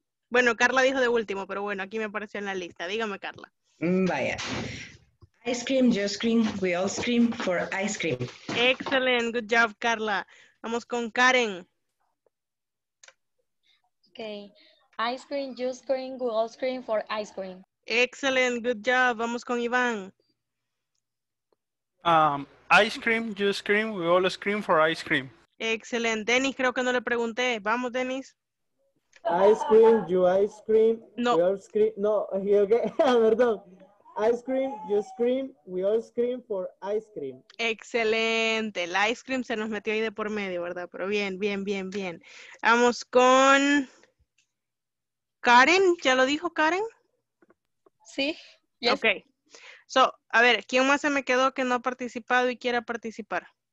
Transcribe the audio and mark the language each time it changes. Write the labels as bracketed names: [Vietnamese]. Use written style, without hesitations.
[Spanish] Bueno, Carla dijo de último, pero bueno, aquí me apareció en la lista. Dígame, Carla. Vaya. [English] Ice cream, you scream, we all scream for ice cream. Excellent. Good job, Carla. [Spanish] Vamos con Karen. [English] Okay. Ice cream, you scream, we all scream for ice cream. Excellent. Good job. [Spanish] Vamos con Iván. [English] Ice cream, you scream, we all scream for ice cream. Excellent. [Spanish] Dennis, creo que no le pregunté. Vamos, Dennis. [English] Ice cream, you ice cream, no. We all scream. No, okay, perdón. Ice cream, you scream, we all scream for ice cream. [Spanish] Excelente. El ice cream se nos metió ahí de por medio, ¿verdad? Pero bien, bien, bien, bien. Vamos con Karen. ¿Ya lo dijo Karen? Sí. [English] Yes. Ok. [Spanish] So, a ver, ¿quién más se me quedó que no ha participado y quiera participar?